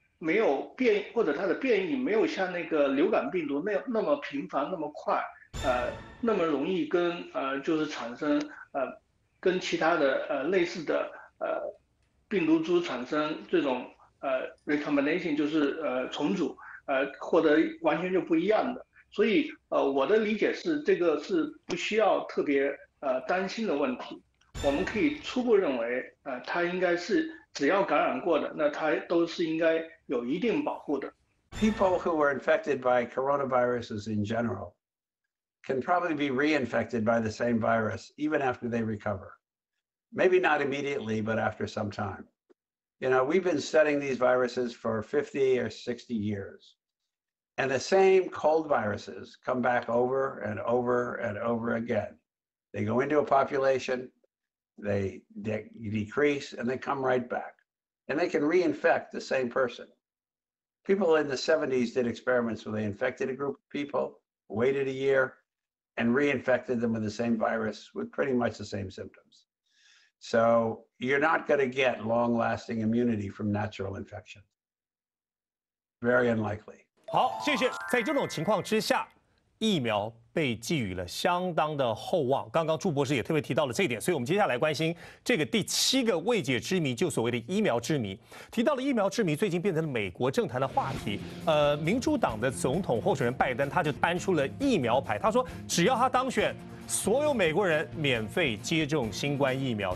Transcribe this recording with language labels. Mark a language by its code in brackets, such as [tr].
[zh] 没有变或者它的变异没有像那个流感病毒那么频繁那么快，那么容易跟就是产生跟其他的类似的病毒株产生这种recombination， 就是重组，获得完全就不一样的。所以我的理解是这个是不需要特别担心的问题。我们可以初步认为它应该是只要感染过的，那它都是应该有一定保护的。 [en] People who were infected by coronaviruses in general can probably be reinfected by the same virus even after they recover. Maybe not immediately, but after some time. You know, we've been studying these viruses for 50 or 60 years. And the same cold viruses come back over and over and over again. They go into a population, they decrease, and they come right back. And they can reinfect the same person. People in the 70s did experiments where they infected a group of people, waited a year, and reinfected them with the same virus with pretty much the same symptoms. So you're not going to get long-lasting immunity from natural infection. Very unlikely. [zh] 好，谢谢。在这种情况之下，疫苗被寄予了相当的厚望。刚刚朱博士也特别提到了这一点，所以我们接下来关心这个第七个未解之谜，就所谓的疫苗之谜。提到了疫苗之谜，最近变成了美国政坛的话题。民主党的总统候选人拜登他就搬出了疫苗牌，他说只要他当选，所有美国人免费接种新冠疫苗。